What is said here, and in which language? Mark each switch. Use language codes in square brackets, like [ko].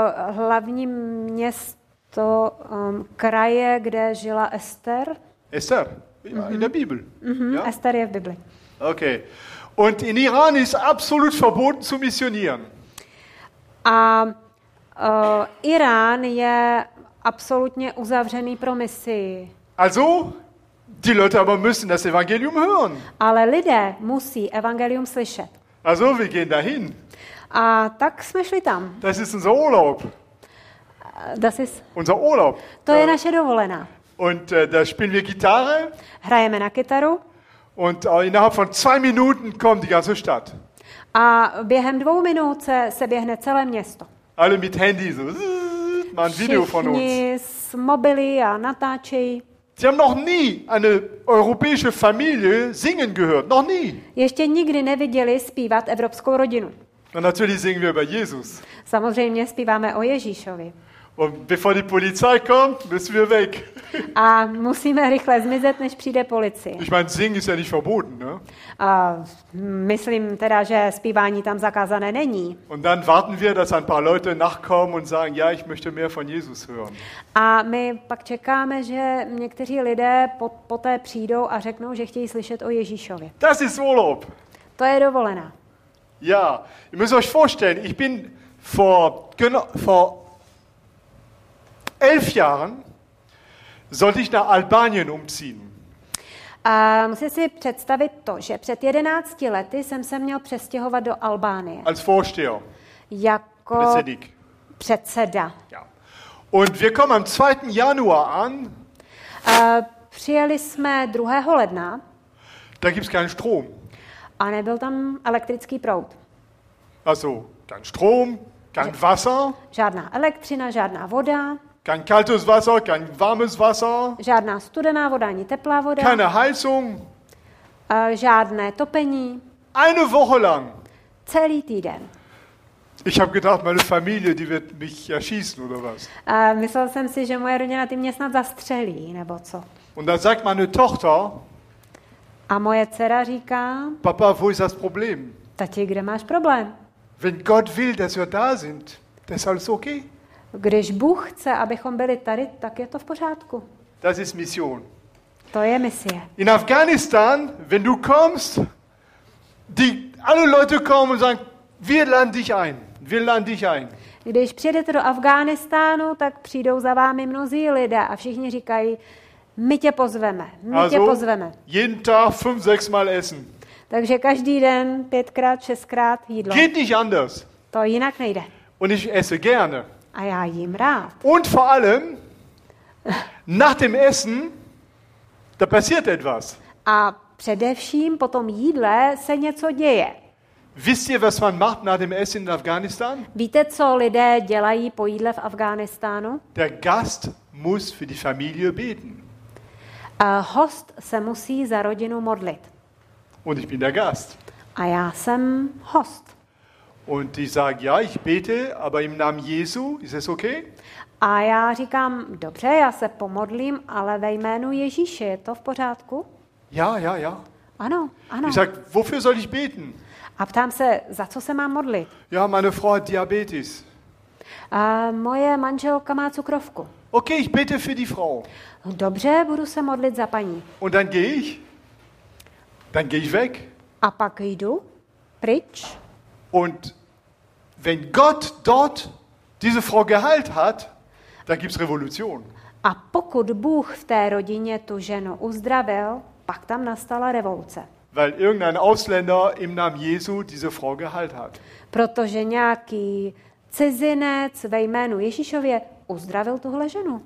[cs] Hlavní město, kraje, kde žila Esther. [de] Esther, in der Bibel. [cs] Ja? Esther je v Bibli. [de] Okay, und in Iran ist absolut verboten zu missionieren. [cs] A Irán je absolutně uzavřený pro misii. [de] Also, die Leute aber müssen das Evangelium hören. [cs] Ale lidé musí evangelium slyšet. [de] Also, wir gehen dahin. [cs] A tak jsme šli tam. [de] Das ist unser Urlaub. Das ist unser Urlaub. [cs] To je naše dovolená. [de] Und da spielen wir Gitarre. [cs] Hrajeme na kytaru. [de] Und innerhalb von 2 Minuten kommt die ganze Stadt. [cs] A během 2 minut se běhne celé město. [de] Alle mit Handy so. Man Video von uns. [cs] Všichni s mobily a natáčejí. [de] Sie haben noch nie eine europäische Familie singen gehört. Noch nie. [cs] Ještě nikdy neviděli zpívat evropskou rodinu. [de] Und natürlich singen wir über Jesus. [cs] Samozřejmě zpíváme o Ježíšovi. [de] Und bevor die Polizei kommt, müssen wir weg. [cs] A musíme rychle zmizet, než přijde policie. [de] Ich meine, singen ist ja nicht verboten, ne? [cs] A myslím teda, že zpívání tam zakázané není. [de] Und dann warten wir, dass ein paar Leute nachkommen und sagen, ja, ich möchte mehr von Jesus hören. [cs] A my pak čekáme, že někteří lidé poté přijdou a řeknou, že chtějí slyšet o Ježíšovi. [de] Das ist Urlaub. [cs] To je dovolená. [de] Ja, ihr müsst euch vorstellen, ich bin vor 11 Jahren sollte ich nach Albanien umziehen. [cs] Musím si představit to, že před 11 lety jsem se měl přestěhovat do Albánie. [de] Als Vorsteher. [cs] Jako [de] Präsidik. [cs] Předseda. [de] Ja. Und wir kommen am 2. Januar an. [cs] Přijeli jsme 2. ledna. [de] Da gibt's keinen Strom. [cs] A nebyl tam elektrický proud. [de] Also, kein Strom, kein Wasser. [cs] Žádná elektřina, žádná voda. [de] Kein kaltes Wasser, kein warmes Wasser. [cs] Žádná studená voda, ani teplá voda. [de] Keine Heizung. [cs] Žádné topení. [de] Eine Woche lang. [cs] Celý týden. [de] Ich habe gedacht, meine Familie, die wird mich erschießen oder was. [cs] Myslel jsem si, že moje rodina ty mě snad zastřelí, nebo co. [de] Und dann sagt meine Tochter. [cs] A moje dcera říká. [de] Papa, wo ist das Problem? [cs] Tati, kde máš problém? [de] Wenn Gott will, dass wir da sind, das ist alles okay. [cs] Když Bůh chce, abychom byli tady, tak je to v pořádku. [de] Das ist Mission. [cs] To je misie. [de] In Afghanistan, wenn du kommst, alle Leute kommen und sagen, wir laden dich ein. [cs] Když přijdete do Afghánistánu, tak přijdou za vámi mnozí lidé a všichni říkají, my tě pozveme. [de] Jeden Tag 5-6 Mal essen. [cs] Takže každý den 5x-6x jídlo. [de] Geht nicht anders. [cs] To jinak nejde. [de] Und ich esse gerne. [cs] A já jím rád. [de] Und vor allem nach dem Essen da passiert etwas. [cs] A především po tom jídle se něco děje. [de] Wisst ihr, was man macht nach dem Essen in Afghanistan? [cs] Víte, co lidé dělají po jídle v Afghánistánu? [de] Der Gast muss für die Familie beten. [cs] Host se musí za rodinu modlit. [de] Und ich bin der Gast. [cs] A já jsem host. [de] Und ich sage, ja, ich bete, aber im Namen Jesu, ist es okay? [cs] A já říkám, dobře, já se pomodlím, ale ve jménu Ježíše, je to v pořádku? [de] Ja. [cs] Ano, ano. [de] Ich sage, wofür soll ich beten? [cs] A ptám se, za co se mám modlit? [de] Ja, meine Frau hat Diabetes. [cs] Moje manželka má cukrovku. [de] Okay, ich bete für die Frau. [cs] Dobře, budu se modlit za paní. [de] Und dann gehe ich. Dann gehe ich weg. [cs] A pak jdu pryč. [de] Und wenn Gott dort diese Frau geheilt hat, dann gibt's Revolution. [cs] A pokud Bůh v té rodině tu ženu uzdravil, pak tam nastala revoluce. [de] Weil irgendein Ausländer im Namen Jesu diese Frau geheilt hat. [cs] Protože nějaký cizinec ve jménu Ježíšově uzdravil tuhle ženu.